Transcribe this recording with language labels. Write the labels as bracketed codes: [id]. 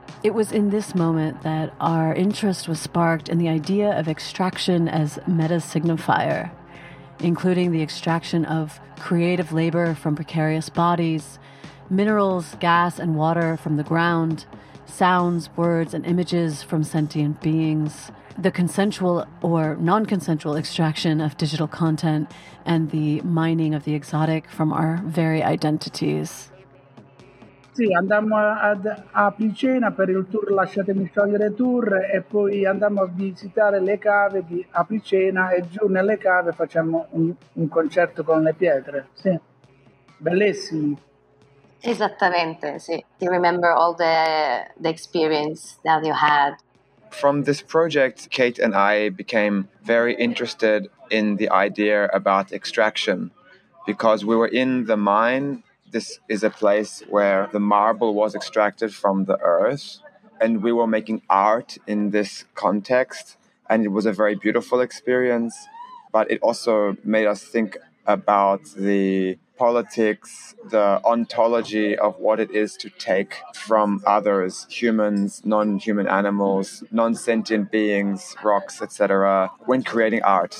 [en] It was in this moment that our interest was sparked in the idea of extraction as meta-signifier, including the extraction of creative labor from precarious bodies, minerals, gas, and water from the ground, sounds, words, and images from sentient beings, the consensual or non-consensual extraction of digital content, and the mining of the exotic from our very identities. [it] Sì, andammo ad Apricena per il tour Lasciatemi Sciogliere Tour e poi andammo a visitare le cave di Apricena e giù nelle cave facciamo un concerto con le pietre. Sì, bellissimi. Esattamente, sì. [en] You remember all the experience that you had. From this project, Kate and I became very interested in the idea about extraction because we were in the mine. This is a place where the marble was extracted from the earth, and we were making art in this context, and it was a very beautiful experience, but it also made us think about the politics, the ontology of what it is to take from others, humans, non-human animals, non-sentient beings, rocks, etc., when creating art.